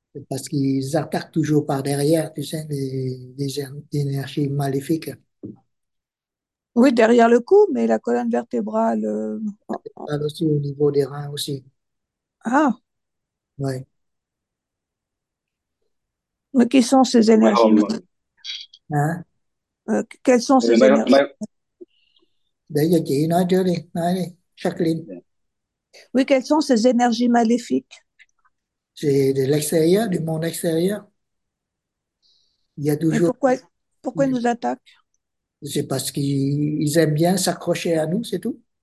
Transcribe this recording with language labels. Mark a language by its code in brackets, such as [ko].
[fr] Parce qu'ils attaquent toujours par derrière, tu sais, des énergies maléfiques. Oui, derrière le cou, mais la colonne vertébrale. Aussi au niveau des reins aussi. Ah. Oui. Mais qui sont ces énergies? Hein? Quelles sont Mais ces énergies? [vi] Để cho chị nói trước đi, nói đi, Jacqueline. [fr] Oui, quelles sont ces énergies maléfiques? C'est de l'extérieur, du monde extérieur. Il y a Mais toujours. pourquoi nous attaquent? C'est parce qu'ils aiment bien s'accrocher à nous, c'est tout.